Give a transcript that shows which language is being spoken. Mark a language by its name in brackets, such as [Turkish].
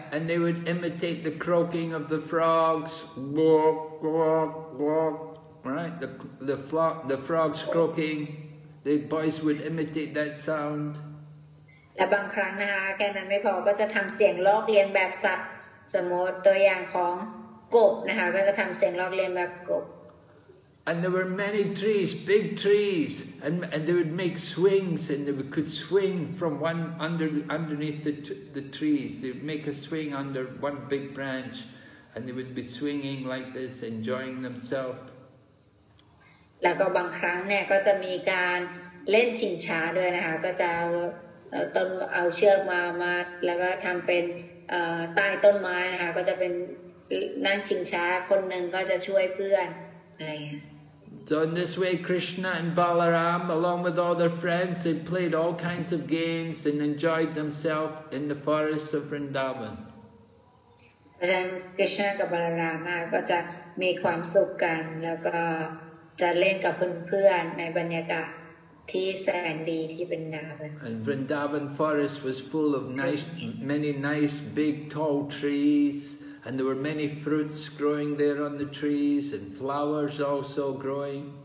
[English] And they would imitate the croaking of the frogs. Walk, walk, walk. Right? The frogs croaking. The boys would imitate that sound. [Thai] และบางครั้งนะคะแค่นั้นไม่พอก็จะทำเสียงลอกเลียนแบบสัตว์สมมติตัวอย่างของกบนะคะก็จะทำเสียงลอกเลียนแบบกบ [English] And there were many trees, big trees, and they would make swings and they could swing from one underneath the trees. They would make a swing under one big branch, and they would be swinging like this, enjoying themselves. [Thai] แล้วก็บางครั้งเนี่ยก็จะมีการเล่นชิงช้าด้วยนะคะก็จะต้นเอาเชือกมาแล้วก็ทำเป็นใต้ต้นไม้นะคะก็จะเป็นนั่งชิงช้าคนหนึ่งก็จะช่วยเพื่อนอะไร [English] So in this way Krishna and Balaram along with all their friends they played all kinds of games and enjoyed themselves in the forests of Vrindavan [Thai] อาจารย์ Krishna กับ Balaram ก็จะมีความสุขกันแล้วก็จะเล่นกับเพื่อนๆในบรรยากาศที่แสนดีที่เป็น [English] นาบ Vrindavan forest was full of nice many nice big tall trees and there were many fruits growing there on the trees and flowers also growing